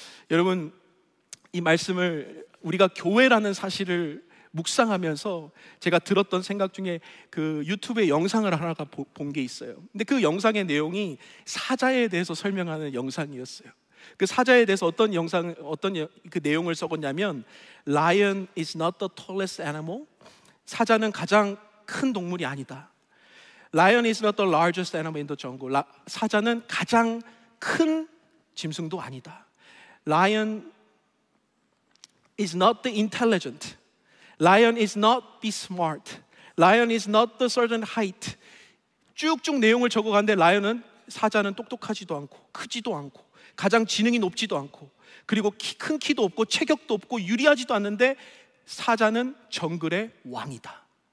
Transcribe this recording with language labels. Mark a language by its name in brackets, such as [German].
[Korean] 여러분, 이 말씀을 우리가 교회라는 사실을 묵상하면서 제가 들었던 생각 중에 그 유튜브에 영상을 하나가 본 게 있어요. 근데 그 영상의 내용이 사자에 대해서 설명하는 영상이었어요. 그 사자에 대해서 어떤 영상, 어떤 그 내용을 적었냐면 [English] Lion is not the tallest animal. [Korean] 사자는 가장 큰 동물이 아니다. [English] Lion is not the largest animal in the jungle. [Korean] 사자는 가장 큰 짐승도 아니다. [English] Lion is not the intelligent. Lion is not the smart. Lion is not the certain height. [Korean] 쭉쭉 내용을 적어가는데 Lion은, 사자는 똑똑하지도 않고 크지도 않고 가장 지능이 높지도 않고 그리고 큰 키도 없고 체격도 없고 유리하지도 않는데 사자는 정글의 왕이다.